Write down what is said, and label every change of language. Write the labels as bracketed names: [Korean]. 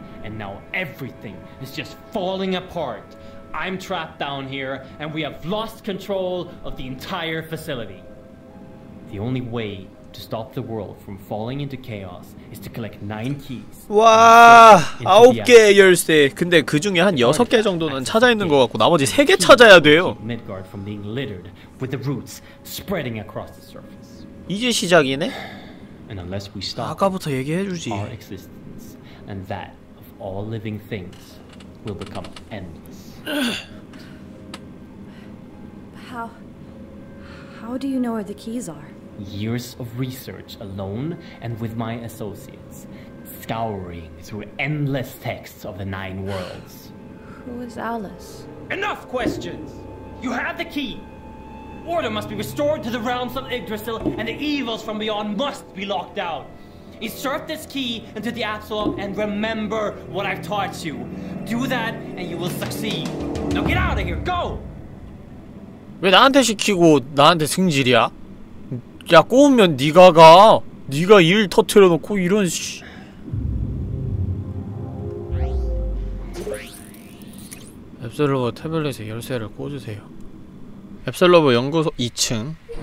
[English] And now everything is just falling apart. I'm trapped down here, and we have lost control of the entire facility. The only way to stop the world from falling into chaos is to collect 9 keys. [Korean] 와, 아홉 개 열쇠. 근데 그 중에 한 여섯 개 정도는 찾아 있는 것 같고 나머지 세 개 찾아야 돼요. [English] Midgard from being littered with the roots spreading across the surface. [Korean] 이제 시작이네. [English] And unless we stop, [Korean] 아까부터 얘기해 주지. [English] Our existence and that. All living things will become endless. How do you know where the keys are? Years of research alone and with my associates, scouring through endless texts of the nine worlds. Who is Alice? Enough questions! You have the key! Order must be restored to the realms of Yggdrasil, and the evils from beyond must be locked down. Insert this key into the Absalom and remember what I've taught you. Do that and you will succeed. Now get out of here, go! [Korean] 왜 나한테 시키고 나한테 승질이야? 야, 꼬우면 네가 가. 네가 일 터트려 놓고 이런 씨. 앱설러버 태블릿에 열쇠를 꽂으세요. 앱설러버 연구소 2층.